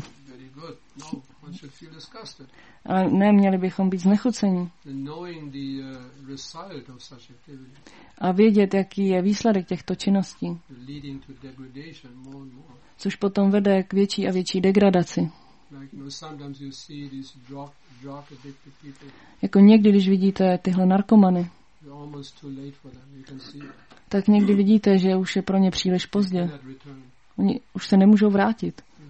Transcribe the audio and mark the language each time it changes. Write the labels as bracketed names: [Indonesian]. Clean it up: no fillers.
[English] Very good. No, one should feel disgusted. [Czech] Ale ne, měli bychom být znechuceni. [English] Knowing the result of such activity. [Czech] A vědět, jaký je výsledek těchto činností. [English] Leading to degradation more and more. [Czech] Což potom vede k větší a větší degradaci. [English] Like, you know, sometimes you see these drug addicted people. [Czech] Jako někdy, když vidíte tyhle narkomany. [English] You're almost too late for them. You can see. [Czech] Tak někdy vidíte, že už je pro ně příliš pozdě. Oni už se nemůžou vrátit.